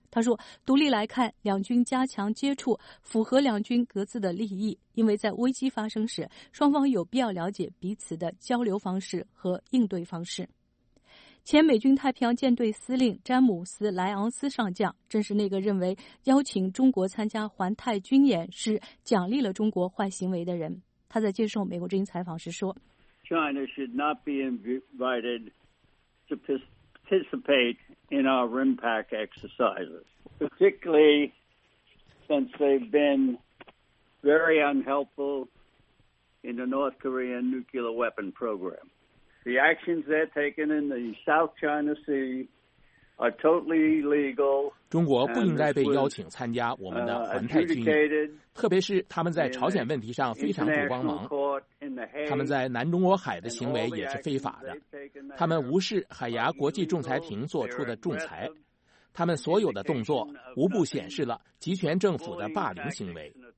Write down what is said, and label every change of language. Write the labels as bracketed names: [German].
[Chinese] 他说，独立来看，两军加强接触符合两军各自的利益，因为在危机发生时，双方有必要了解彼此的交流方式和应对方式。前美军太平洋舰队司令詹姆斯·莱昂斯上将正是那个认为邀请中国参加环太军演是奖励了中国坏行为的人。他在接受美国之音采访时说， [English] China should not be invited to participate in our RIMPAC exercises, particularly since they've been very unhelpful in the North Korean nuclear weapon program. The actions they're taking in the South China Sea are totally legal. [Chinese] 中国不应该被邀请参加我们的环太军演，特别是他们在朝鲜问题上非常不光芒。他们在南中国海的行为也是非法的，他们无视海牙国际仲裁庭做出的仲裁，他们所有的动作无不显示了集权政府的霸凌行为。